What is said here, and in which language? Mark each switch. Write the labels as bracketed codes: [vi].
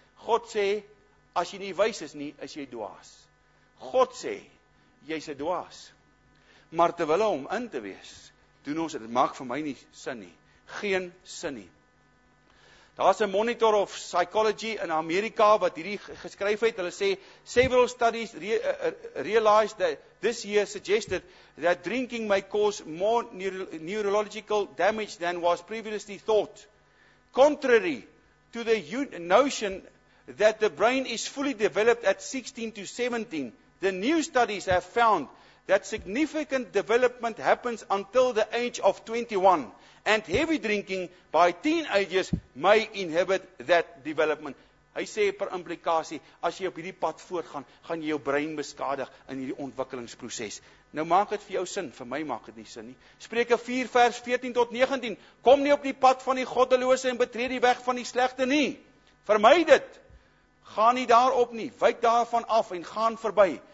[af] God sê, as jy nie wys is nie, is jy dwaas. God sê, jy's 'n dwaas. Maar terwyl om in te wees, doen ons dit maak vir my nie sin nie. Geen sin nie. Daar is 'n monitor of psychology in Amerika wat hierdie geskryf het. Hulle sê, [en] several studies realized that this year suggested that drinking may cause more neurological damage than was previously thought. Contrary to the notion that the brain is fully developed at 16 to 17, the new studies have found that significant development happens until the age of 21. And heavy drinking by teenagers may inhibit that development. [af] Hy sê per implikasie, as jy op hierdie pad voortgaan, gaan jy jou brein beskadig in hierdie ontwikkelingsproses. Nou maak het vir jou sin, vir my maak het nie sin nie. Spreuke 4 vers 14 tot 19, kom nie op die pad van die goddelose en betree die weg van die slegte nie. Vermy dit, gaan nie daarop nie, wyk daarvan af en gaan verby.